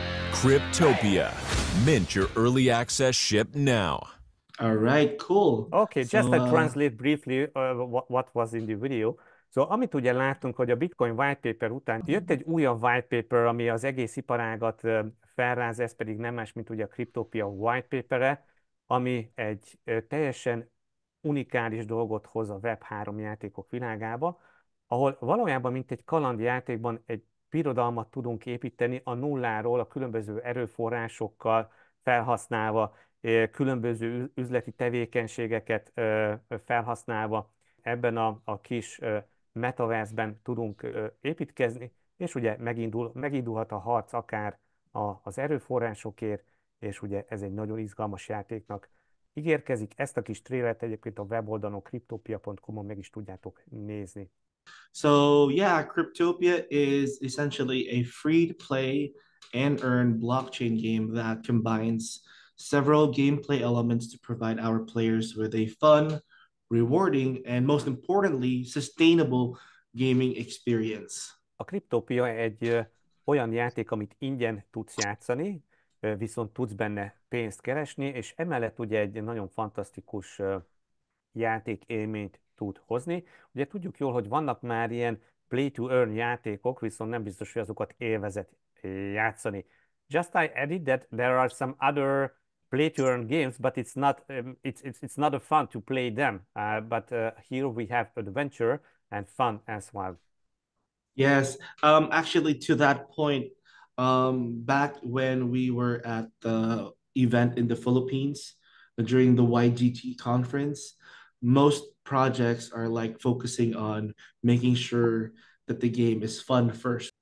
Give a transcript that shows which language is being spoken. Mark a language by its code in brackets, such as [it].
[en] Cryptopia. Mint your early access ship now. All right, cool. Okay, so, just to translate briefly what was in the video. [hu] So, amit ugye láttunk, hogy a Bitcoin white paper után jött egy újabb white paper, ami az egész iparágat felráz, ez pedig nem más, mint ugye a Cryptopia white paper-e, ami egy teljesen unikális dolgot hoz a Web3 játékok világába, ahol valójában, mint egy kalandjátékban egy birodalmat tudunk építeni a nulláról, a különböző erőforrásokkal felhasználva, különböző üzleti tevékenységeket felhasználva ebben a kis metaverse-ben tudunk építkezni, és ugye megindulhat a harc akár az erőforrásokért, és ugye ez egy nagyon izgalmas játéknak ígérkezik. Ezt a kis trélet egyébként a weboldalon kriptopia.com-on meg is tudjátok nézni. [en] So yeah, Cryptopia is essentially a free-to-play and earn blockchain game that combines several gameplay elements to provide our players with a fun, rewarding, and most importantly, sustainable gaming experience. [hu] A Cryptopia egy olyan játék, amit ingyen tudsz játszani, viszont tudsz benne pénzt keresni, és emellett ugye egy nagyon fantasztikus játék élményt tud hozni. Ugye tudjuk jól, hogy vannak már ilyen play-to-earn játékok, viszont nem biztos, hogy azokat élvezet játszani. [en] Just I added that there are some other play-to-earn games, but it's not a fun to play them. But here we have adventure and fun as well. Yes, actually to that point, back when we were at the event in the Philippines during the YGT conference, most projects are like focusing on making sure that the game is fun first.